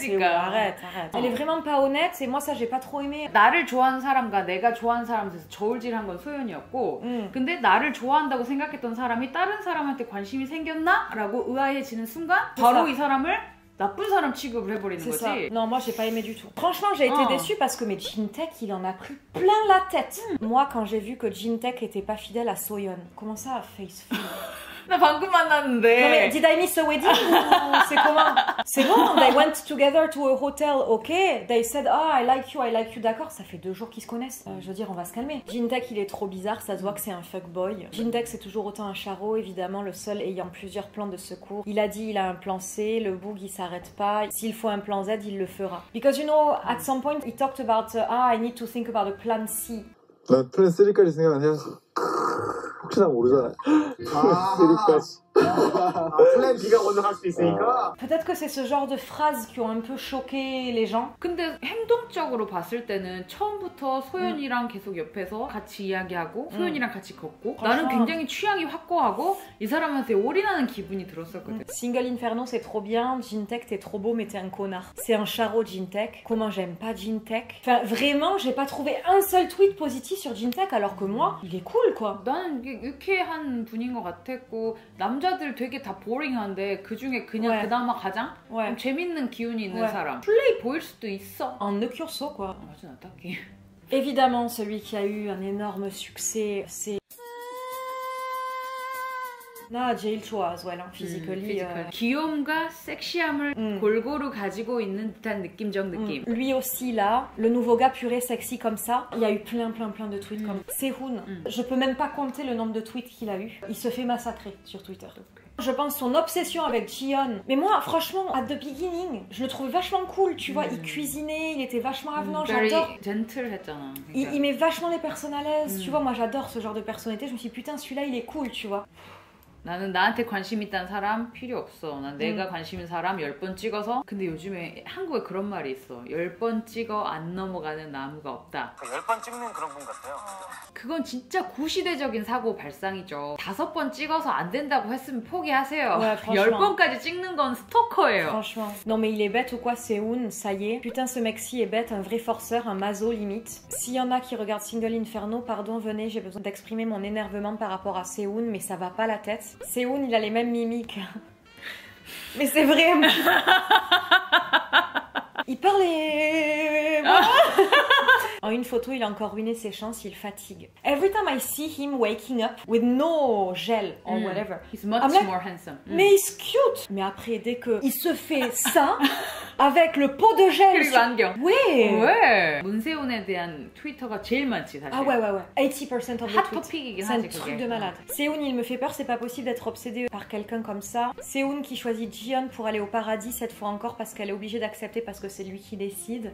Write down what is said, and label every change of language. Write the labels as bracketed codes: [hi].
[fr] C'est... Arrête. Elle est vraiment pas honnête. Et moi, ça, j'ai pas trop aimé. [ko] 나를 좋아하는 사람과 내가 좋아하는 사람에서 저울질한 건 소연이었고, 근데 나를 좋아한다고 생각했던 사람이 다른 사람한테 관심이 생겼나라고 의아해지는 순간 바로 이 사람을 나쁜 사람 취급을 해버리는 [fr] c'est [ko] 거지. [fr] Ça. Non, moi, j'ai pas aimé du tout. Franchement, j'ai été déçue parce que mais Jintek, il en a pris plein la tête. Moi, quand j'ai vu que Jintek était pas fidèle à Soyeon, comment ça, faithful? [ko] 나 방금 만났는데. [fr] Non, mais [en] did I miss a wedding? [fr] C'est comment? C'est bon, [en] they went together to a hotel, ok? They said, oh, I like you, [fr] d'accord? Ça fait deux jours qu'ils se connaissent. Je veux dire, on va se calmer. Jintek, il est trop bizarre, ça se voit que c'est un fuckboy. Jintek, c'est toujours autant un charreau, évidemment, le seul ayant plusieurs plans de secours. Il a dit, il a un plan C, le boug, il s'arrête pas. S'il faut un plan Z, il le fera. [en] Because you know, at some point, he talked about, ah, I need to think about a plan C. [ko] Plan C까지 생각 안 해서. 혹시나 모르잖아. 아, 플랜 B가 먼저 갈 수 있으니까. [fr] Peut-être que c'est ce genre de phrase qui ont un peu choqué les gens. [ko] 근데 행동적으로 봤을 때는 처음부터 소연이랑 계속 옆에서 같이 이야기하고 소연이랑 같이 걷고 나는 굉장히 취향이 확고하고 이 사람한테 올인하는 기분이 들었었거든. [fr] Single Inferno c'est trop bien, Jintek t'es trop beau mais t'es un connard. C'est un charreau Jintek. Comment j'aime pas Jintek. Enfin vraiment j'ai pas trouvé un seul tweet positif sur Jintek alors que moi il est cool quoi. [ko] 나는 유쾌한 분인 것 같았고 남자들 되게 다 보링한데 그 중에 그냥 [fr] ouais. [ko] 그나마 가장 [fr] ouais. [ko] 좀 재밌는 기운이 있는 ouais. 사람 플레이 보일 수도 있어. En ne cure so quoi. 맞아 나 딱히. [fr] Évidemment celui qui a eu un énorme succès c'est Ah, Jail Choa [en] as well, physically. Physical. [ko] 귀염과 섹시함을 골고루 가지고 있는 듯한 느낌적 느낌. [fr] Lui aussi là, le nouveau gars puré sexy comme ça. Il y a eu plein de tweets comme Sehun. Je peux même pas compter le nombre de tweets qu'il a eu. Il se fait massacrer sur Twitter. Okay. Je pense son obsession avec Jihyun. Mais moi, franchement, [en] at the beginning, [fr] je le trouvais vachement cool, tu vois. Il cuisinait, il était vachement avenant, j'adore. [en] Very gentle, [fr] j'adore. Il met vachement les personnes à l'aise, tu vois. Moi, j'adore ce genre de personnalité. Je me suis dit, putain, celui-là, il est cool, tu vois. [ko] 나는 나한테 관심 있다는 사람 필요 없어. 난 내가 관심 있는 사람 10번 찍어서. 근데 요즘에 한국에 그런 말이 있어. 10번 찍어 안 넘어가는 나무가 없다. 10번 찍는 그런 분 같아요. 그건 진짜 구시대적인 사고 발상이죠. 5번 찍어서 안 된다고 했으면 포기하세요. 네, 10번까지 찍는 건 스토커예요. [fr] Franchement. Non mais il est bête ou quoi c'est une ça y est. Putain ce mec-ci est bête, un vrai forceur, un maso limite. S'il y en a qui regardent Single Inferno, pardon, venez, j'ai besoin d'exprimer mon énervement par rapport à Seun, mais ça va pas la tête. Seun, il a les mêmes mimiques. Mais c'est vrai. Il parle et... En une photo, il a encore ruiné ses chances, il fatigue. [en] Every time I see him waking up with no gel or whatever, he's much like, more handsome. [fr] Mais [en] he's cute. [fr] Mais après, dès que il se fait ça avec le pot de gel, sur... ouais. Ouais. [ko] 문세훈에 대한 트위터가 제일 많지 사실. [fr] Ah ouais ouais ouais. [en] 80% of the tweets. Hot topic. [fr] C'est un truc de malade. Seun, il me fait peur. C'est pas possible d'être obsédé par quelqu'un comme ça. Seun qui choisit Jihyun pour aller au paradis cette fois encore parce qu'elle est obligée d'accepter parce que c'est lui qui décide.